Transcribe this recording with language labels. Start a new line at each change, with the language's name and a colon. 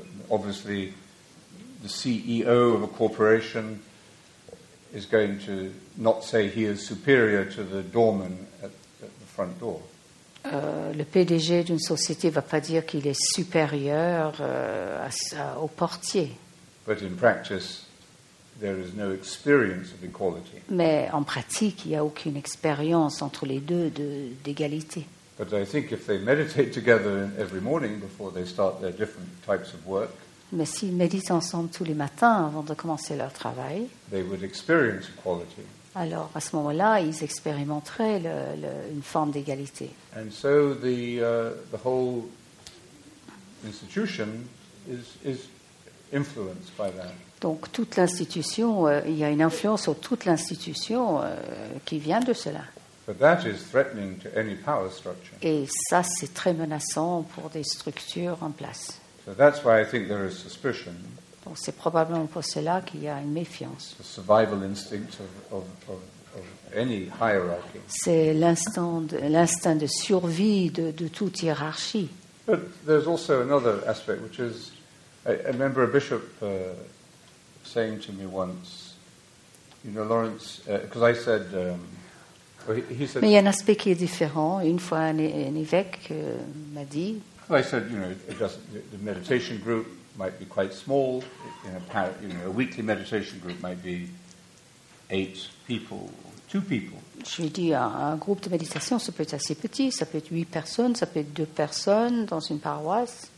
English: Obviously, the CEO of a corporation is going to not say he is superior to the doorman at the front door.
French: Le PDG d'une société ne va pas dire qu'il est supérieur au portier.
English: But in practice, there is no experience of equality.
French: Mais en pratique, il n'y a aucune expérience entre les deux d'égalité.
English: But I think if they meditate together every morning before they start their different types of work,
French: mais s'ils méditent ensemble tous les matins avant de commencer leur travail,
English: they would experience equality.
French: Alors, à ce moment-là, ils expérimenteraient une forme d'égalité.
English: And so the whole institution is influenced by that.
French: Donc, toute l'institution, il y a une influence sur toute l'institution qui vient de cela.
English: But that is threatening to any power structure.
French: Et ça, c'est très menaçant pour des structures en place.
English: So that's why I think there is suspicion.
French: Donc c'est probablement pour cela qu'il y a une méfiance.
English: The survival instinct of any hierarchy.
French: C'est l'instinct de survie de toute hiérarchie.
English: But there's also another aspect, which is I remember a bishop saying to me once, you know, Lawrence, because I said, he said.
French: Mais il y a un aspect qui est différent. Une fois, un évêque m'a dit.
English: I said, you know, the meditation group might be quite small. A weekly meditation group might be 8 people, 2 people.
French: J'ai dit, un groupe de méditation, ça peut être assez petit, ça peut être 8 personnes, ça peut être 2 personnes dans une paroisse.